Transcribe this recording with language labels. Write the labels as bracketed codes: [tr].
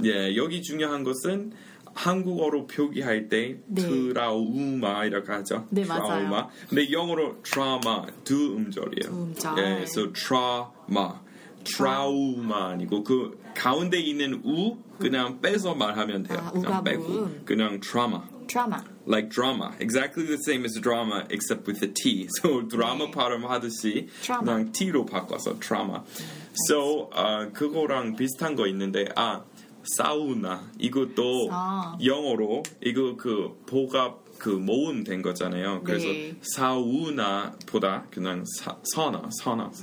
[ko] 예, 여기 중요한 것은 한국어로 표기할 때 네. 트라우마라고 하죠. 네, 트라우마. 맞아요. 근데 영어로 trauma, 두 음절이에요. 두 음절. [en] 예, so trauma. [ko] 트라우마 아니고 그 가운데 있는 우 그냥 빼서 말하면 돼요. 아, 그냥 빼고 그냥 트라우마. 트라우마. [en] Like drama. Exactly the same as drama except with a T. So drama 네. [ko] 발음하듯이 그냥 T로 바꿔서 트라우마. So 그거랑 비슷한 거 있는데 아 사우나 이것도 영어로 이거 그 복합 그 모음 된 거잖아요. 그래서 네. 사우나보다 그냥 사나 사나